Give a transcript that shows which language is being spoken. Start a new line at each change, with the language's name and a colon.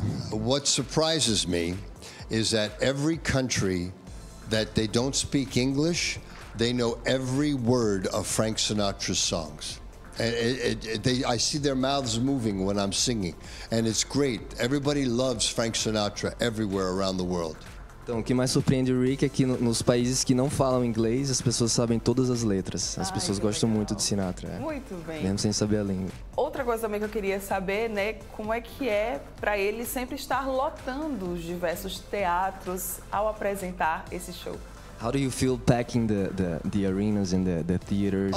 English: What surprises me is that every country that they don't speak English, they know every word of Frank Sinatra's songs. I see their mouths moving when I'm singing, and it's great. Everybody loves Frank Sinatra everywhere around the world.
Portuguese: Então, o que mais surpreende o Rick é que nos países que não falam inglês, as pessoas sabem todas as letras. As pessoas gostam muito de Sinatra. Muito bem. Mesmo sem saber a língua. Outra coisa também que eu queria saber, né, como é que é para ele sempre estar lotando os diversos teatros ao apresentar esse show?
English: How do you feel packing the arenas and the theaters?